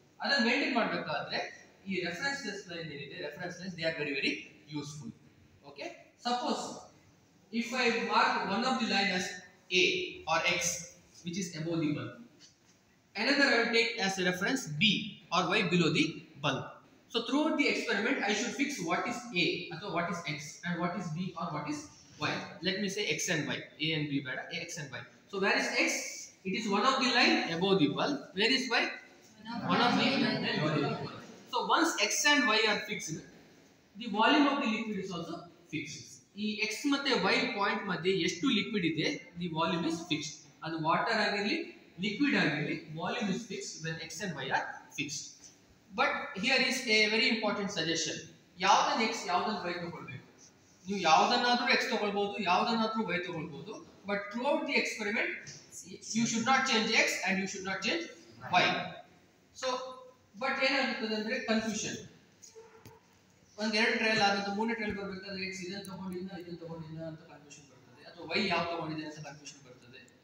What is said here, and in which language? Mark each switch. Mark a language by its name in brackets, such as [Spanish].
[Kannada] ಅದನ್ನು ಮೇಂಟೈನ್ ಮಾಡಬೇಕಾದ್ರೆ ಈ ರೆಫರೆನ್ಸ್ ಲೈನ್ ಏನಿದೆ, [English] Reference lines they are very very useful. Okay, suppose if I mark one of the line as A or X which is above the bulb, another I take as a reference B or y below the bulb. So throughout the experiment, I should fix what is A, or what is X, and what is B, or what is Y. Let me say X and Y, A and B, better, X and Y. So where is X? It is one of the line above the bulb. Where is Y? One of the line below the bulb. So once X and Y are fixed, the volume of the liquid is also fixed. The X [Kannada] mathe [English] Y point [Kannada] mathe eshtu [English] liquid [Kannada] ide, [English] the volume is fixed. And water [Kannada] agirli, [English] liquid agirli, volume is fixed when X and Y are fixed. But here is a very important suggestion. [Kannada] ಯಾವ್ದನ್ನ X ಯಾವ್ದನ್ನ Y ತಗೊಳ್ಬೇಕು. ನೀವು ಯಾವ್ದನ್ನಾದ್ರೂ X ತಗೊಳ್ಬಹುದು, ಯಾವ್ದನ್ನಾದ್ರೂ Y ತಗೊಳ್ಬಹುದು, [English] But through the experiment you should not change X and you should not change Y. [Kannada] So but ಏನಾಗುತ್ತದೆ ಅಂದ್ರೆ confusion, ಒಂದೆರಡು trail ಆಗುತ್ತೆ, ಮೂರನೇ ಟ್ರೈಲ್ ಬರ್ಬೇಕಾದ್ರೆ ಎಕ್ಸ್ ಇದನ್ನ ತಗೊಂಡಿದ್ದ ಇದನ್ನ ತಗೊಂಡಿದ್ದ ಅಂತ ಕನ್ಫ್ಯೂಷನ್ ಬರ್ತದೆ, ಅಥವಾ ವೈ ಯಾವ್ ತಗೊಂಡಿದೆ ಅಂತ ಕನ್ಫ್ಯೂಷನ್ ಬರ್ತದೆ.